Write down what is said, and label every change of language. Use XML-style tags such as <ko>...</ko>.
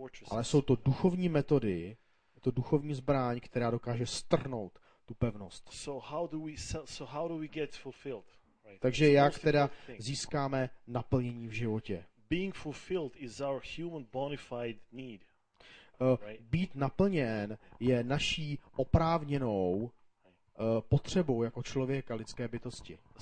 <cs>Ale jsou to duchovní metody, to duchovní zbraň, která dokáže strhnout tu pevnost.</cs> <en>So how do we get fulfilled? Right.</en> <cs>Takže jak teda získáme naplnění v životě?</cs> <en>Being fulfilled is our human bona fide need.</en> <cs>Být naplněn je naší oprávněnou potřebou jako člověka, lidské bytosti.</cs>